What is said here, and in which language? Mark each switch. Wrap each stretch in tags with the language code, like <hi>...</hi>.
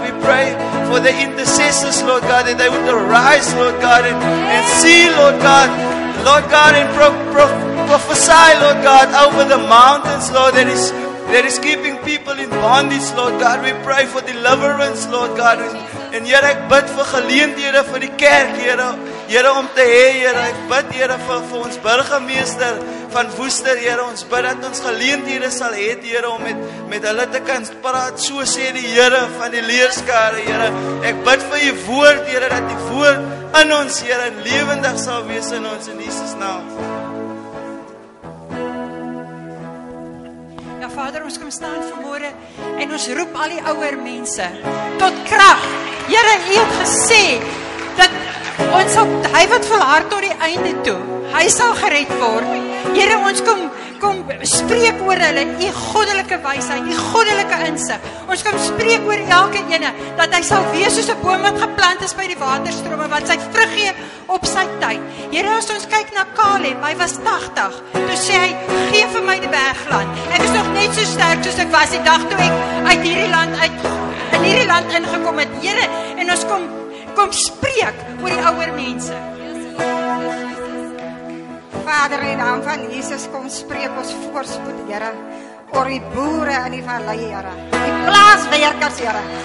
<en>We pray for the intercessors, Lord God, that they would arise, Lord God, and see, Lord God. Lord God, and prophesy, Lord God, over the mountains, Lord, that is keeping people in bondage, Lord God. We pray for deliverance, Lord God.</en> <af>And Here ek bid vir geleenthede vir die kerk, Here. Here om te hê, Here. Ek bid, Here, vir ons burgemeester van Woester, Here. Ons bid dat ons geleenthede sal hê, Here, om met hulle te kan praat, so sê die Here van die leerskare, Here. Ek bid vir die woord, Here, dat die woord in ons, Here, lewendig sal wees in ons, in Jesus naam. Vader, ons kom staan vanmôre en ons roep al die ouer mense tot krag. Here, U het gesê dat ons sal, hy wat volhard tot die einde toe, hy sal gered word. Here, ons kom spreek oor hulle, U goddelike wysheid, U goddelike insig. Ons kom spreek oor elke ene dat hy sal wees soos 'n boom wat geplant is by die waterstrome wat sy vrug gee op sy tyd. Here, as ons kyk na Caleb, hy was 80, toe sê hy, gee vir my die bergland. Ek is nog net so sterk soos ek was die dag toe ek uit hierdie land ingekom het. Here, en ons kom spreek oor die ouer mense. Vader, in naam van Jesus, kom spreek ons voorspoed, Here, oor die boere in die vallei, Here, die plaaswerkers, Here.</af>